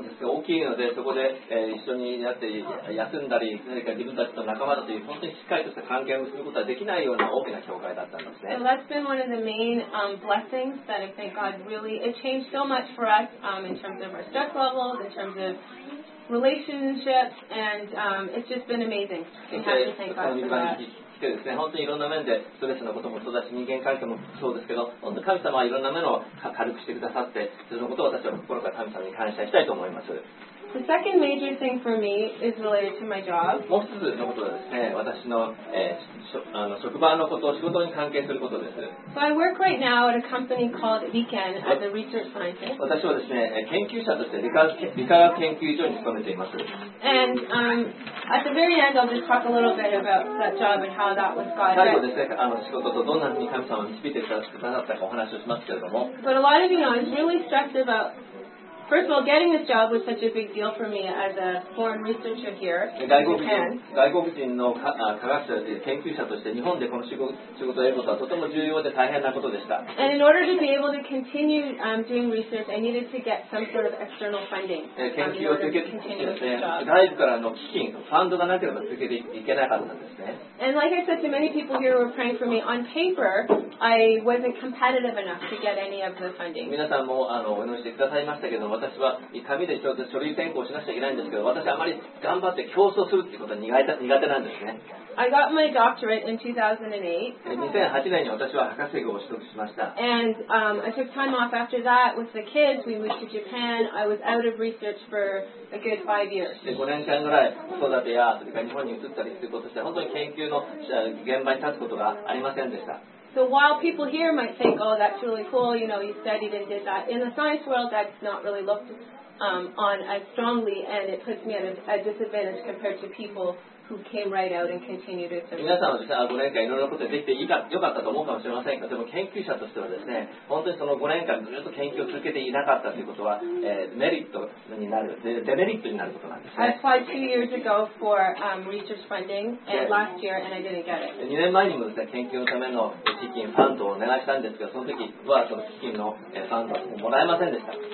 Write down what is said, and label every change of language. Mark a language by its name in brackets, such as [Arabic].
[English] that's been one of the main blessings that I think God really, it changed so much for us in terms of our stress levels, in terms of relationships, and it's just been amazing. We have to thank God for that. [Japanese] ですね、本当にいろんな面でストレスのこともそうだし人間関係もそうですけど本当に神様はいろんな面を軽くしてくださってそのことを私は心から神様に感謝したいと思います。 [English] The second major thing for me is related to my job. [Japanese] もう一つのことはですね私 の,、あの職場のことを仕事に関係することです。 [English] So I work right now at a company called Viken as a research scientist. [Japanese] 私はですね研究者として理科学研究所に勤めています。 [English] And、at the very end I'll just talk a little bit about that job and But a lot of you know, I was really stressed about, first of all, getting this job was such a big deal for me as a foreign researcher here in Japan. And in order to be able to continue doing research, I needed to get some sort of external funding in order to continue this job. And like I said to many people here who are praying for me, on paper, I wasn't competitive enough to get any of the funding. [Japanese] 皆さんもあのお祈りしてくださいましたけど、私は紙で書類選考しなくちゃいけないんですけど、私はあまり頑張って競争するってことは苦手なんですね。 [English] I got my doctorate in 2008. [Japanese] 2008年に私は博士号を取得しました。 [English] And I took time off after that with the kids. We moved to Japan. I was out of research for a good 5 years. [Japanese] で、5年間ぐらい子育てやそれから日本に移ったりすることして、本当に研究の現場に立つことがありませんでした。 [English] So while people here might think, oh, that's really cool, you know, you studied and did that. In the science world, that's not really looked on as strongly, and it puts me at a disadvantage compared to people. [Japanese] 皆さんはですね、5年間いろいろなことができて良かったと思うかもしれませんが、でも研究者としてはですね、本当にその5年間ずっと研究を続けていなかったということは、メリットになる、デメリットになることなんですね。 [English] I applied 2 years ago for research funding and last year and I didn't get it. [Japanese] 2年前にもですね、研究のための資金ファンドをお願いしたんですが、その時はその資金のファンドをもらえませんでした。